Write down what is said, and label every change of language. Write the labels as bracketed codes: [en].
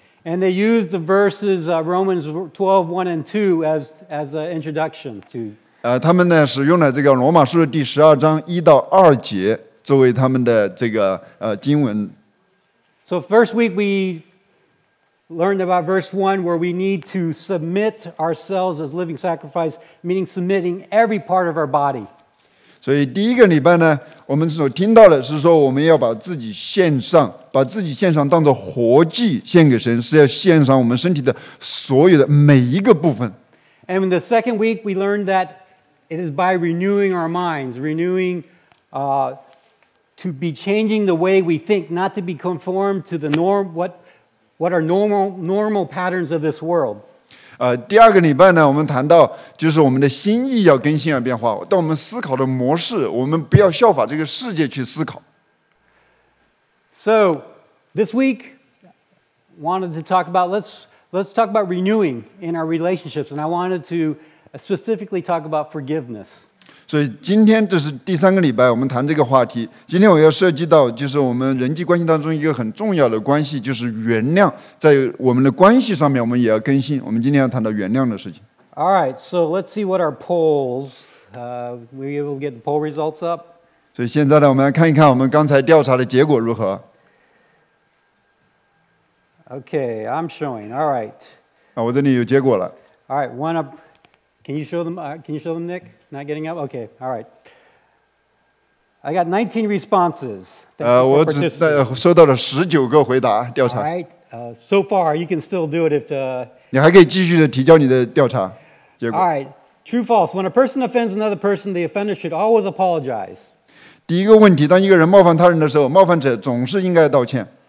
[en] And they used the verses Romans 12, 1 and 2 as an introduction to. [zh] 他们呢使用了这个罗马书的第十二章一到二节作为他们的这个经文。 [en] So first week we. Learned about verse 1 where we need to submit ourselves as living sacrifice, meaning submitting every part of our body. [zh] 所以第一个礼拜呢，我们所听到的是说我们要把自己献上，把自己献上当作活祭献给神，是要献上我们身体的所有的每一个部分。 [en] And in the second week, we learned that it is by renewing our minds, renewing, to be changing the way we think, not to be conformed to the norm, what are normal patterns of this world? [zh] 第二个礼拜呢，我们谈到就是我们的心意要更新而变化，但我们思考的模式，我们不要效法这个世界去思考。 [en] So this week, wanted to talk about let's talk about renewing in our relationships, and I wanted to specifically talk about forgiveness. [zh] 所以今天这是第三个礼拜，我们谈这个话题。今天我要涉及到，就是我们人际关系当中一个很重要的关系，就是原谅。在我们的关系上面，我们也要更新。我们今天要谈到原谅的事情。 [en] All right, so let's see what our polls. We will get the poll results up. [zh] 所以现在呢，我们来看一看我们刚才调查的结果如何。 [en] Okay, I'm showing. All right. [zh] 我这里有结果了。 [en] All right, one up. Can you show them? Can you show them, Nick? Not getting up? Okay, all right. I got 19 responses. [zh] 我只收到了19个回答调查。 [en] All right, so far, you can still do it if... [zh] 你还可以继续的提交你的调查结果。 [en] All right, true, false. When a person offends another person, the offender should always apologize. [zh] 第一个问题，当一个人冒犯他人的时候，冒犯者总是应该道歉。